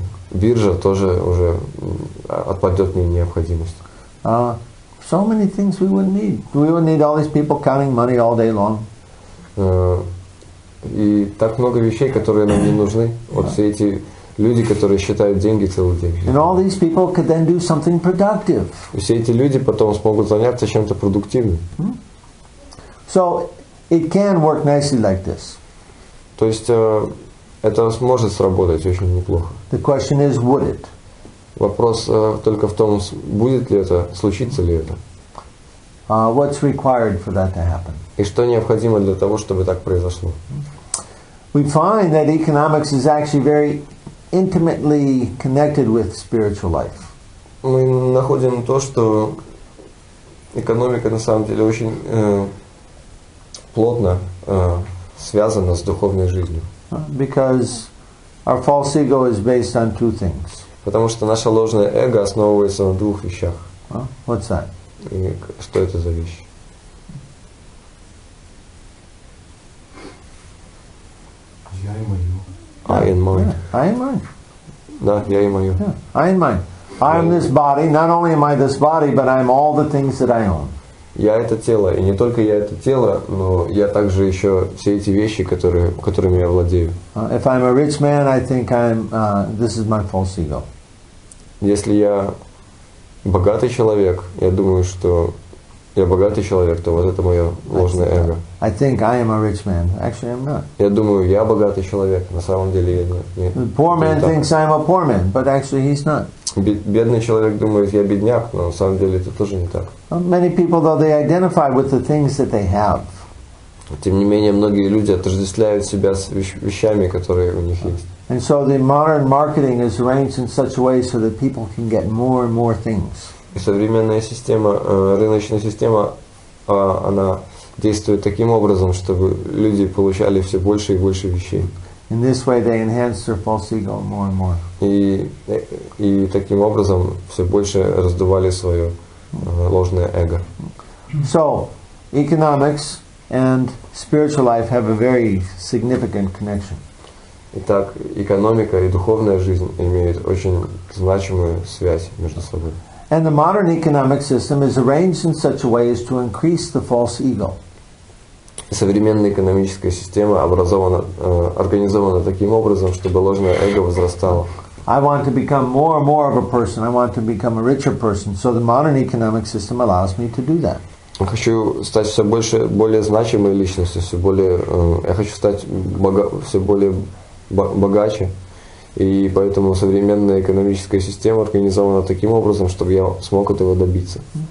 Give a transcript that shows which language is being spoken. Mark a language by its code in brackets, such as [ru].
[ru] Биржа тоже уже отпадет мне необходимость. [en] So many things we wouldn't need. We wouldn't need all these people counting money all day long. [ru] И так много вещей, которые нам не нужны. Вот все эти люди, которые считают деньги целый день. [en] And all these people could then do something productive. [ru] Все эти люди потом смогут заняться чем-то продуктивным. [en] So it can work nicely like this. [ru] То есть это сможет сработать очень неплохо. [en] The question is, would it? [ru] Вопрос только в том, будет ли это, случится ли это. [en] What's required for that to happen? [ru] И что необходимо для того, чтобы так произошло? [en] We find that economics is actually very intimately connected with spiritual life. [ru] Мы находим то, что экономика на самом деле очень плотно связана с духовной жизнью. [en] Because our false ego is based on two things. [ru] Потому что наше ложное эго основывается на двух вещах. [en] What's that? [ru] И что это за вещь? [en] I and mine. I am this body. Not only am I this body, but I am all the things that I own. [ru] Я это тело, и не только я это тело, но я также еще все эти вещи, которыми я владею. [en] If I'm a rich man, I think I'm. This is my false ego. [ru] Если я богатый человек, я думаю, что я богатый человек, то вот это мое ложное эго. [en] I think I am a rich man. Actually, I'm not. [ru] Я думаю, я богатый человек. На самом деле, я нет. [en] The poor man thinks I'm a poor man, but actually he's not. [ru] Бедный человек думает, я бедняк, но на самом деле это тоже не так. [en] Many people, though, they identify with the things that they have. [ru] Тем не менее, многие люди отождествляют себя с вещами, которые у них есть. [en] And so the modern marketing is arranged in such a way so that people can get more and more things. [ru] И современная система, рыночная система, она действует таким образом, чтобы люди получали все больше и больше вещей. [en] In this way they enhance their false ego more and more. [ru] И таким образом все больше раздували свое ложное эго. [en] So, economics and spiritual life have a very significant connection. [ru] Итак, экономика и духовная жизнь имеют очень значимую связь между собой. [en] And the modern economic system is arranged in such a way as to increase the false ego. [ru] Современная экономическая система образована, организована таким образом, чтобы ложное эго возрастало. [en] I want to become more and more of a person. I want to become a richer person. So the modern economic system allows me to do that. [ru] Я хочу стать все больше, более значимой личностью, все более, я хочу стать все более богаче. И поэтому современная экономическая система организована таким образом, чтобы я смог этого добиться.